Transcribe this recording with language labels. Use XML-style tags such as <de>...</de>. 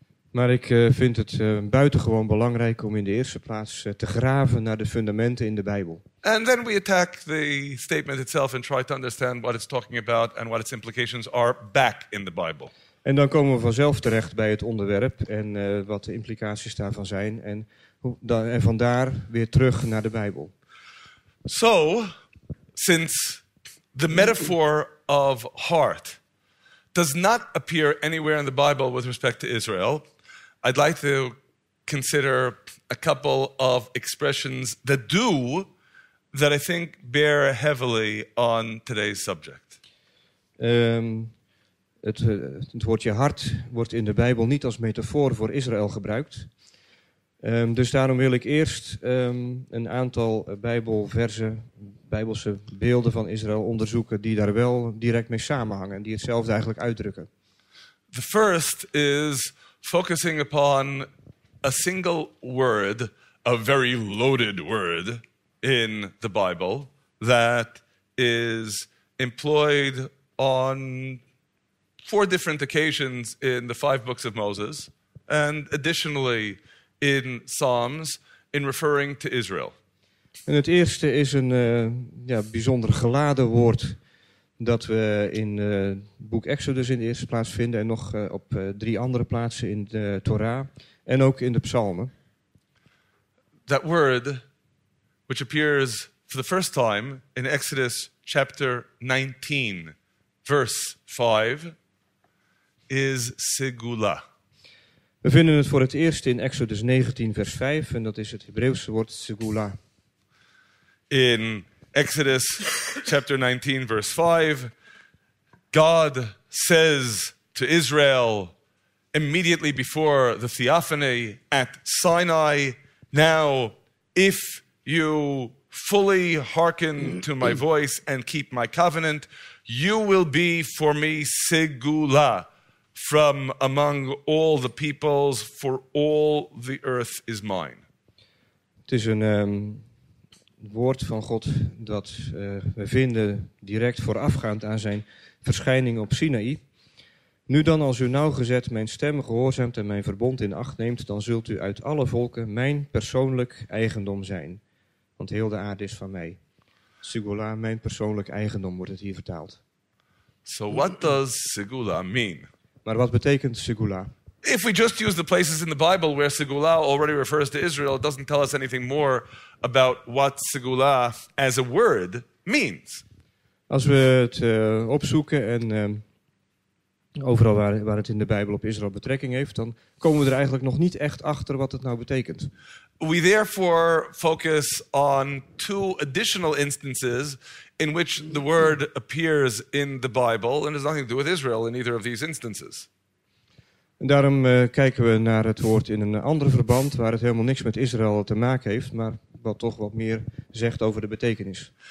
<nl>Maar ik vind het buitengewoon belangrijk om in de eerste plaats te graven naar de fundamenten in de Bijbel.</nl> <en>And then we attack the statement itself and try to understand what it's talking about and what its implications are back in the Bible.</en> <nl>En dan komen we vanzelf terecht bij het onderwerp en wat de implicaties daarvan zijn en vandaar weer terug naar de Bijbel.</nl> <en>So, since the metaphor of heart does not appear anywhere in the Bible with respect to Israel, I'd like to consider a couple of expressions that do, that I think bear heavily on today's subject.</en> <nl>Het woordje hart wordt in de Bijbel niet als metafoor voor Israël gebruikt. Dus daarom wil ik eerst een aantal Bijbelverzen, Bijbelse beelden van Israël onderzoeken die daar wel direct mee samenhangen en die hetzelfde eigenlijk uitdrukken.</nl> <en>The first is focusing upon a single word, a very loaded word in the Bible that is employed on 4 different occasions in the 5 books of Moses and additionally in Psalms in referring to Israel.</en> <nl>En het eerste is een bijzonder geladen woord dat we in boek Exodus in de eerste plaats vinden en nog op 3 andere plaatsen in de Torah en ook in de Psalmen.</nl> <en>That word which appears for the first time in Exodus chapter 19 verse 5 is segula.</en> <nl>We vinden het voor het eerst in Exodus 19 vers 5 en dat is het Hebreeuwse woord segula.</nl> <en>In Exodus chapter 19 verse 5, God says to Israel immediately before the theophany at Sinai, "Now, if you fully hearken to my voice and keep my covenant, you will be for me segula from among all the peoples, for all the earth is mine."</en> <nl>Het is een woord van God dat we vinden direct voorafgaand aan zijn verschijning op Sinaï. "Nu dan, als u nauwgezet mijn stem gehoorzaamt en mijn verbond in acht neemt, dan zult u uit alle volken mijn persoonlijk eigendom zijn. Want heel de aarde is van mij." Segula, mijn persoonlijk eigendom, wordt het hier vertaald.</nl> <en>So what does segula mean?</en> <nl>Maar wat betekent segula?</nl> <en>If we just use the places in the Bible where segula already refers to Israel, it doesn't tell us anything more about what segula as a word means.</en> <nl>Als we het opzoeken en overal waar het in de Bijbel op Israël betrekking heeft, dan komen we er eigenlijk nog niet echt achter wat het nou betekent.</nl> <en>We therefore focus on 2 additional instances in which the word appears in the Bible and has nothing to do with Israel in either of these instances.</en> <nl>En daarom kijken we naar het woord in een ander verband waar het helemaal niks met Israël te maken heeft, maar wat toch wat meer zegt over de betekenis.</nl>